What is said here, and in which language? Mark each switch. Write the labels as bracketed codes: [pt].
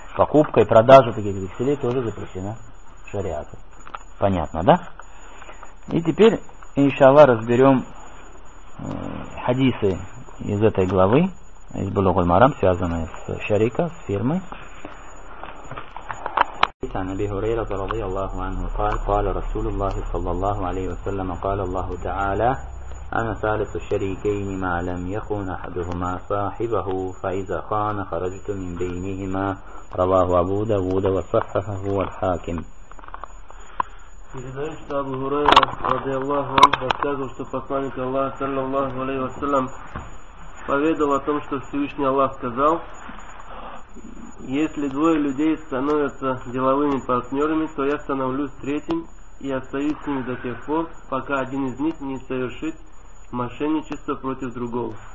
[ru] Покупка и продажа таких векселей тоже запрещена шариатом. Понятно, да? И теперь, иншаллах, разберем хадисы из этой главы, из Булугуль Марам, связанные с шарика, с фирмой. [ar] عن أبي هريرة رضي الله عنه قال قال رسول الله صلى الله عليه وسلم قال الله تعالى أنا ثالث الشريكين ما لم يخون أحدهما صاحبه فإذا خان خرجت من بينهما رواه أبو داود وصححه الحاكم. [ru] Передаю, что Абу Хурайра رضي الله عنه рассказывал, что посланник Аллаха صلى الله عليه وسلم поведал о том, что Всевышний Аллах сказал: если двое людей становятся деловыми партнерами, то я становлюсь третьим и остаюсь с ними до тех пор, пока один из них не совершит мошенничество против другого.